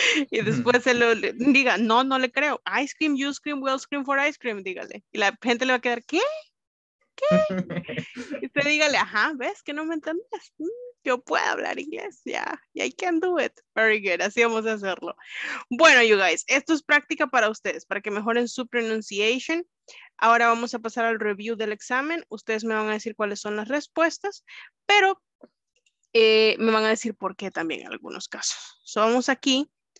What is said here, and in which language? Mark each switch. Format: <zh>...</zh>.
<es>Y después se lo diga, no, no le creo.</es> <en>Ice cream, you scream, we'll scream for ice cream,</en> <es>dígale. Y la gente le va a quedar, ¿qué? ¿Qué? Y usted dígale, ajá, ¿ves que no me entendés? Yo puedo hablar inglés, ya.</es> <en>Yeah, I can do it. Very good,</en> <es>así vamos a hacerlo. Bueno,</es> <en>you guys,</en> <es>esto es práctica para ustedes, para que mejoren su pronunciation. Ahora vamos a pasar al review del examen. Ustedes me van a decir cuáles son las respuestas, pero me van a decir por qué también en algunos casos. So, vamos aquí.</es>